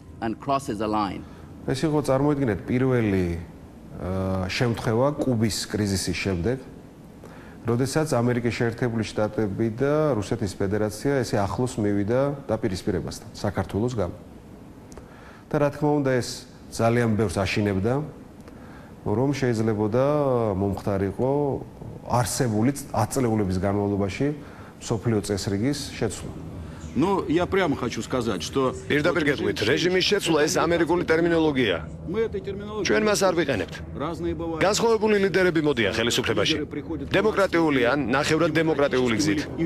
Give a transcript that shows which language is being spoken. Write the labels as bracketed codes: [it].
[ka] ეს იყო, წარმოიდგინეთ, პირველი შემთხვევა კუბის კრიზისის შემდეგ, როდესაც ამერიკის შეერთებული შტატები და რუსეთის ფედერაცია ესე ახლოს მივიდა დაპირისპირებასთან საქართველოს გამო. და რა თქმა უნდა, ეს ძალიან ბევრს აშინებდა, რომ შეიძლებოდა მომხდარიყო არსებული 10 წლების განმავლობაში მსოფლიო წესრიგის შეცვლა. [ru] Но я прямо хочу сказать, что [ka] პირდაპირ გეტყვით, რეჟიმის შეცვლა ეს ამერიკული ტერმინოლოგია. ჩვენ მას არ ვიყენებთ. განსხვავებული ლიდერები მოდიან ხელისუფლებაში. დემოკრატიული ან ნახევრად დემოკრატიული გზით.